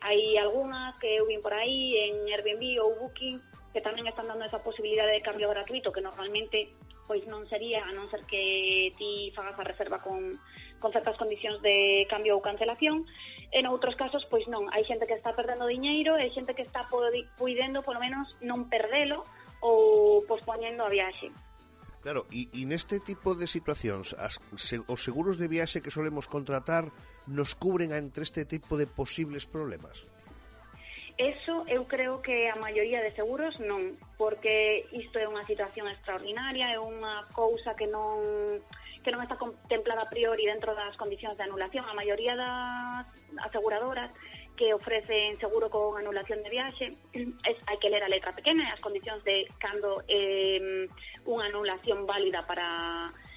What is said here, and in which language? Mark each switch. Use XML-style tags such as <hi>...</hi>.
<gl>Hai algunhas que eu vin por aí en Airbnb ou Booking que tamén están dando esa posibilidad de cambio gratuito, que normalmente pois non sería, a non ser que ti fagas a reserva con certas condicións de cambio ou cancelación. En outros casos, pois non, hai xente que está perdendo diñeiro, hai xente que está puidendo, polo menos, non perdelo ou pospoñendo a viaxe.</gl> <es>Claro, y en este tipo de situaciones, ¿os seguros de viaje que solemos contratar nos cubren entre este tipo de posibles problemas?</es> <gl>Eso eu creo que a maioría de seguros non, porque isto é unha situación extraordinaria, é unha cousa que non está contemplada a priori dentro das condicións de anulación. A maioría das aseguradoras que ofrecen seguro con anulación de viaxe, hai que ler a letra pequena e as condicións de cando unha anulación válida para</gl>